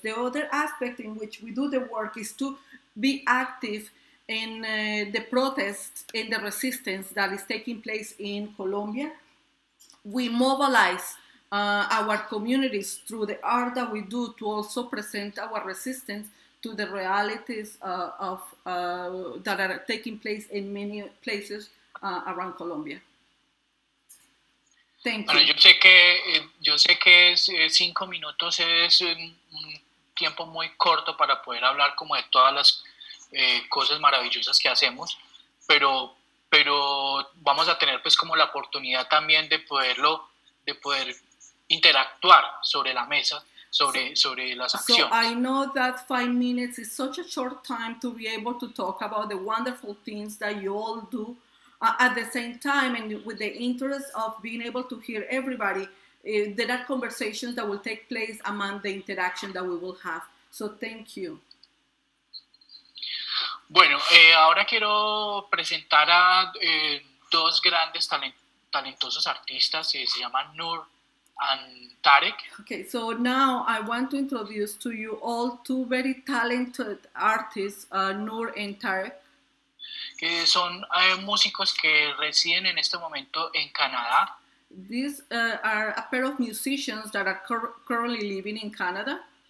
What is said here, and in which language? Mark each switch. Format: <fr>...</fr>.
<en>The other aspect in which we do the work is to be active in the protest and the resistance that is taking place in Colombia. We mobilize our communities through the art that we do to also present our resistance to the realities that are taking place in many places around Colombia. Thank you.</en> <es>Bueno, yo sé que es, 5 minutos es un tiempo muy corto para poder hablar como de todas las cosas maravillosas que hacemos, pero vamos a tener pues como la oportunidad también de poder interactuar sobre la mesa, sobre las acciones.</es> <en>So I know that 5 minutes is such a short time to be able to talk about the wonderful things that you all do at the same time, and with the interest of being able to hear everybody, there are conversations that will take place among the interaction that we will have. So thank you.</en> <es>Bueno, ahora quiero presentar a dos grandes talentosos artistas, se llaman Nur and Tarek.</es> <en>Okay, so now I want to introduce to you all two very talented artists, Nur and Tarek.</en> <es>Que son músicos que residen en este momento en Canadá.</es> <en>These are a pair of musicians that are currently living in Canada.</en>